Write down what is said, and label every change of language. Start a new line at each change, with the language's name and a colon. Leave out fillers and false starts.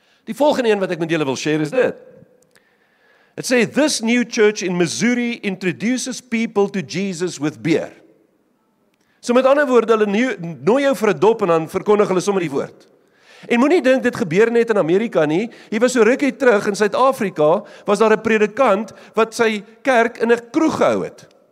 Afrikaans: Die volgende een wat ek met julle wil share is dit.
English: It says this new church in Missouri introduces people to Jesus with beer.
Afrikaans: So met ander woorde, hulle nooi jou vir 'n dop en dan verkondig hulle sommer die woord. En moenie dink dit gebeur net in Amerika nie. Hier was so rukkie terug in Suid-Afrika was daar 'n predikant wat sy kerk in 'n kroeg gehou het.